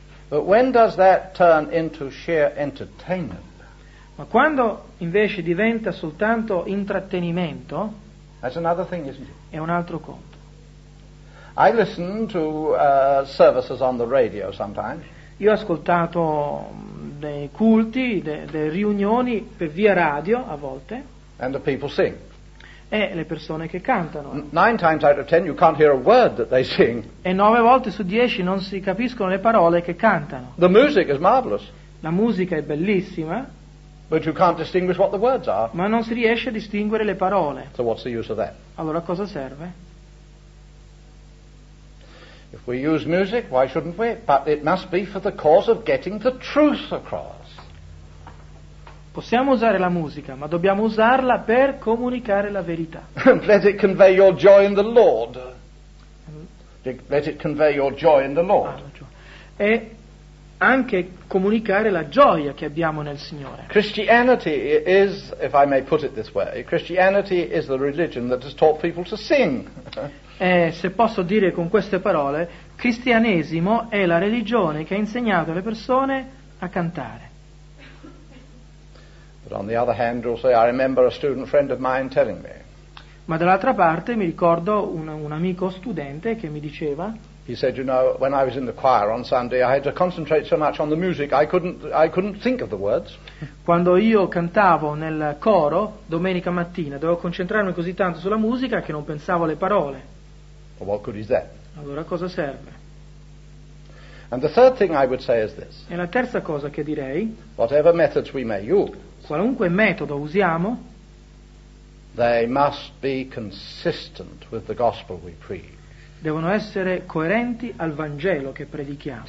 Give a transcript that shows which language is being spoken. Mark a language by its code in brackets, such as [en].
[en] But when does that turn into sheer entertainment? [it] Ma quando invece diventa soltanto intrattenimento, [en] that's another thing, isn't it? [it] È un altro conto. [en] I listen to services on the radio sometimes. [it] Io ho ascoltato dei culti, delle riunioni per via radio a volte. [en] And the people sing. [it] E le persone che cantano. [en] 9 times out of 10 you can't hear a word that they sing. [it] E 9 volte su 10 non si capiscono le parole che cantano. [en] The music is marvelous. [it] La musica è bellissima. [en] But you can't distinguish what the words are. [it] Ma non si riesce a distinguere le parole. [en] So what's the use of that? [it] Allora a cosa serve? [en] If we use music, why shouldn't we? But it must be for the cause of getting the truth across. [it] Possiamo usare la musica, ma dobbiamo usarla per comunicare la verità. [en] Let it convey your joy in the Lord. Let it convey your joy in the Lord. [it] E anche comunicare la gioia che abbiamo nel Signore. [en] Christianity is, if I may put it this way, Christianity is the religion that has taught people to sing. [it] E se posso dire con queste parole, cristianesimo è la religione che ha insegnato alle persone a cantare. [en] But on the other hand, you'll say, I remember a student friend of mine telling me. [it] Ma dall'altra parte mi ricordo un amico studente che mi diceva. [en] He said, you know, when I was in the choir on Sunday, I had to concentrate so much on the music, I couldn't think of the words. [it] Quando io cantavo nel coro domenica mattina, dovevo concentrarmi così tanto sulla musica che non pensavo alle parole. [en] Well, what good is that? [it] Allora cosa serve? [en] And the third thing I would say is this. [it] E la terza cosa che direi. [en] Whatever methods we may use. [it] Qualunque metodo usiamo, [en] they must be consistent with the gospel we preach. [it] Devono essere coerenti al Vangelo che predichiamo.